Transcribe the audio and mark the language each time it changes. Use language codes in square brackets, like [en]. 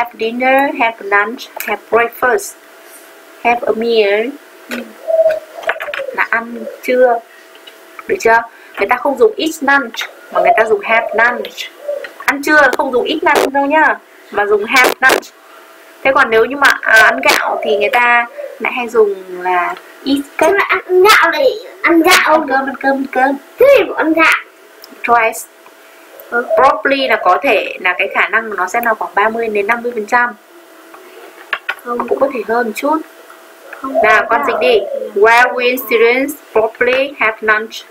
[en] have dinner, have lunch, have breakfast, have a meal. [vi] Là ăn trưa. Được chưa? Người ta không dùng eat lunch mà người ta dùng have lunch. Ăn trưa không dùng eat lunch đâu nhá, mà dùng have lunch. Thế còn nếu như mà ăn gạo thì người ta lại hay dùng là eat cơm. Ăn gạo thì ăn gạo. Ăn cơm, ăn cơm, ăn cơm. Thế thì cũng ăn gạo. [en] Twice. [vi] Probably là có thể là cái khả năng nó sẽ là khoảng 30-50%. Không, cũng có thể hơn một chút. Nào, con dịch đi. [en] Where will students probably have lunch?